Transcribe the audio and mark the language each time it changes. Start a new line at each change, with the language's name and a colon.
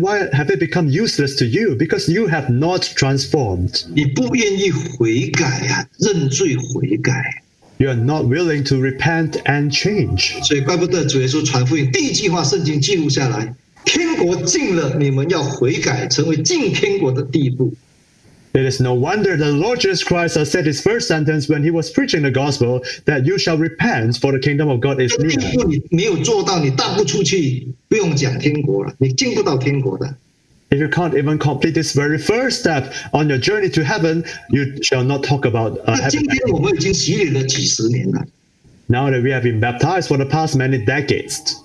English: why have it become useless to you? Because you have not transformed.
Chinese: 你不愿意悔改啊，认罪悔改。
English: You are not willing to repent and change.
Chinese: 所以怪不得主耶稣传福音，第一句话圣经记录下来，天国近了，你们要悔改，成为进天国的地步。
English: It is no wonder the Lord Jesus Christ said his first sentence when he was preaching the gospel that you shall repent for the kingdom of God is near.
Chinese: 你没有做到，你大不出去，不用讲天国了，你进不到天国的。
English: If you can't even complete this very first step on your journey to heaven, you shall not talk about heaven.
Chinese: 今天我们已经洗礼了几十年了。
English: Now that we have been baptized for the past many decades.